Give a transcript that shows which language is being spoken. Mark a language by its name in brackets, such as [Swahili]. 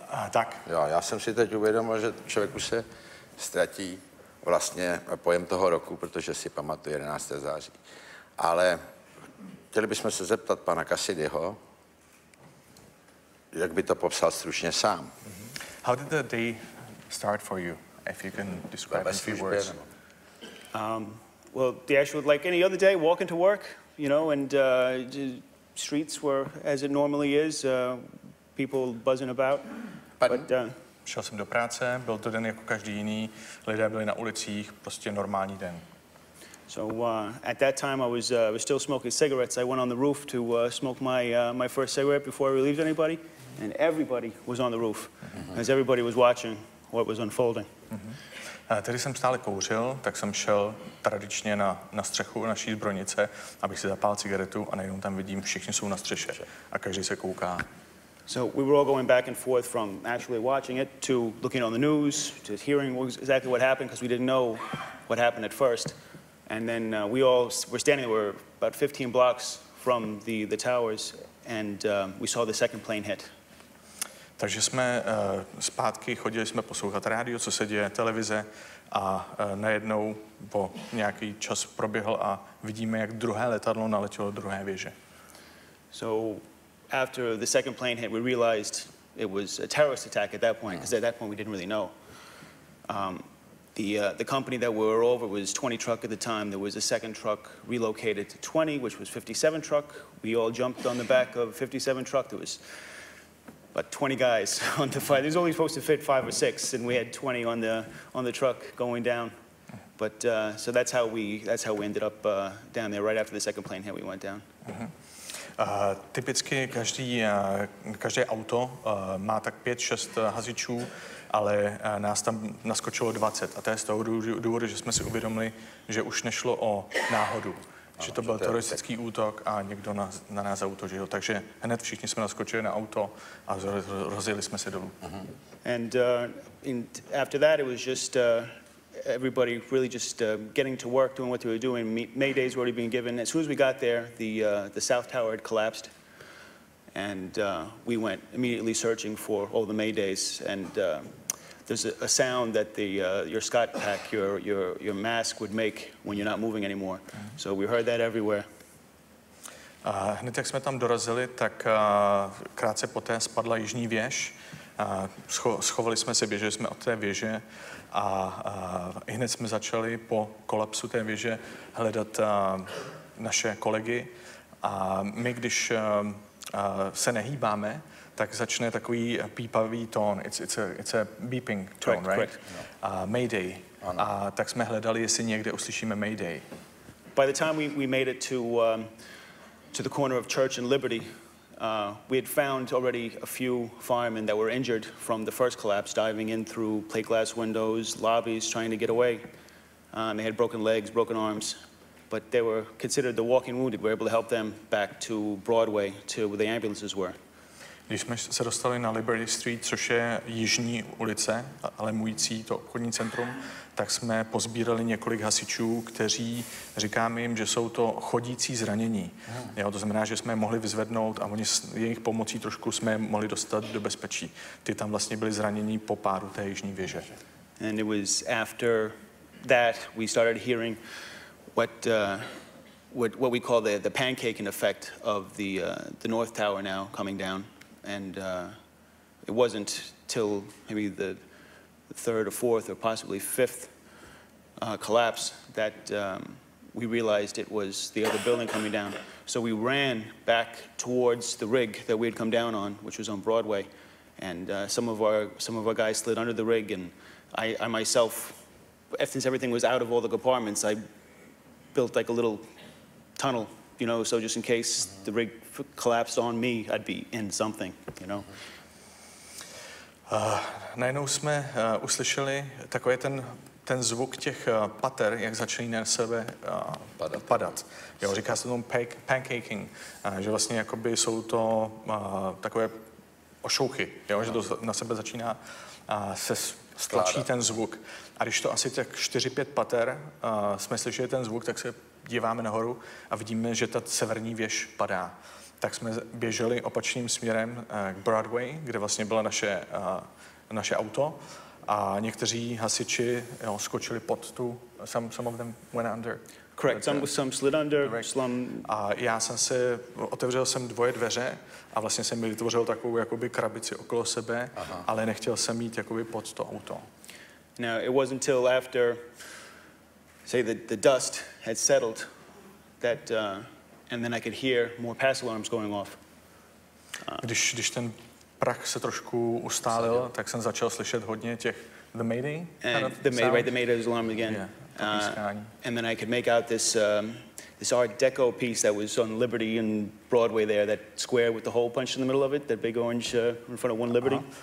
[Czech] A, tak. Jo, já jsem si teď uvědomil, že člověku se ztratí vlastně pojem toho roku, protože si pamatuje 11. září. Ale chtěli bychom se zeptat pana Cassidyho, jak by to popsal stručně sám. Mm-hmm. [English] How did the day start for you, if you can describe in a few words? Well, the actual, like any other day, walking to work, you know, and the streets were as it normally is, people buzzing about. [Czech] Šel jsem do práce, byl to den jako každý jiný, lidé byli na ulicích, prostě normální den. [English] So at that time I was still smoking cigarettes. I went on the roof to smoke my first cigarette before I relieved anybody, and everybody was on the roof, mm-hmm. as everybody was watching what was unfolding. Mm-hmm. [Czech] Tedy jsem stále kouřil, tak jsem šel tradičně na střechu naší zbrojnice, abych si zapál cigaretu a najednou tam vidím, všichni jsou na střeše a každý se kouká. [English] So we were all going back and forth from actually watching it to looking on the news, to hearing exactly what happened because we didn't know what happened at first. And then we all were standing, we were about 15 blocks from the towers and we saw the second plane hit. [Czech] Takže jsme zpátky chodili jsme poslouchat rádio, co se děje, televize a najednou po nějaký čas proběhl a vidíme, jak druhé letadlo naletělo druhé věže. [English] So after the second plane hit, we realized it was a terrorist attack at that point, because at that point we didn't really know. The company that we were over was 20 truck at the time. There was a second truck relocated to 20, which was 57 truck. We all jumped on the back of 57 truck. There was about 20 guys on the fire. There's only supposed to fit 5 or 6, and we had 20 on the truck going down. But so that's how we ended up down there right after the second plane hit. We went down. [Czech] Typicky každé auto má tak 5-6 hasičů, ale nás tam naskočilo 20. A to je z toho důvodu, že jsme si uvědomili, že už nešlo o náhodu. Že to byl teroristický útok a někdo na nás zaútočil. Takže hned všichni jsme naskočili na auto a rozjeli jsme se dolů. [English] And after that it was just everybody really just getting to work, doing what they were doing. Maydays were already being given. As soon as we got there, the South Tower had collapsed. And we went immediately searching for all the Maydays. And there's a sound that your Scott pack, your mask would make when you're not moving anymore. So we heard that everywhere. [Czech] Hned jak jsme tam dorazili, tak krátce poté spadla jižní věž. Schovali jsme se, běželi jsme od té věže a hned jsme začali po kolapsu té věže hledat naše kolegy. A my, když se nehýbáme, tak začne takový pípavý tón. [English] It's a beeping tone, correct, right? Correct. [Czech] Mayday. Ano. A tak jsme hledali, jestli někde uslyšíme Mayday. [English] By the time we made it to the corner of Church and Liberty, we had found already a few firemen that were injured from the first collapse, diving in through plate glass windows, lobbies, trying to get away. They had broken legs, broken arms, but they were considered the walking wounded. We were able to help them back to Broadway, to where the ambulances were. [Czech] Když jsme se dostali na Liberty Street, což je jižní ulice, alarmující to obchodní centrum, tak jsme pozbírali několik hasičů, kteří, říkám jim, že jsou to chodící zranění. Jo, to znamená, že jsme je mohli vyzvednout a oni jejich pomocí trošku jsme je mohli dostat do bezpečí. Ty tam vlastně byli zranění po pádu té jižní věže. [English] And it was after that we started hearing what we call the pancake effect of the North Tower now coming down. And it wasn't till maybe the third or fourth or possibly fifth collapse that we realized it was the other building coming down. So we ran back towards the rig that we had come down on, which was on Broadway, and some of our guys slid under the rig, and I myself, since everything was out of all the compartments, I built like a little tunnel, you know, so just in case the rig collapsed on me, I'd be in something, you know. [Czech] Najednou jsme uslyšeli takový ten zvuk těch pater, jak začínají na sebe padat. Jo, říká se tomu pancaking, že vlastně jakoby jsou to takové ošouchy, jo, že to na sebe začíná se stlačí ten zvuk. A když to asi tak 4-5 pater jsme slyšeli ten zvuk, tak se díváme nahoru a vidíme, že ta severní věž padá. Tak jsme běželi opačným směrem k Broadway, kde vlastně byla naše auto. A někteří hasiči, jo, skočili pod tu, [English] some of them went under. Correct, some slid under, some... [Czech] A já jsem se, otevřel jsem dvoje dveře a vlastně jsem vytvořil takovou jakoby krabici okolo sebe, ale nechtěl jsem jít jakoby pod to auto. [English] Now, it wasn't until after, say, the dust had settled, that, and then I could hear more passive alarms going off. [Czech] Když ten prach se trošku ustálil, tak jsem začal slyšet hodně těch [English] the mayday kind of sound. Right, the mayday's alarm again. And then I could make out this Art Deco piece that was on Liberty and Broadway there, that square with the hole punched in the middle of it, that big orange in front of One Liberty.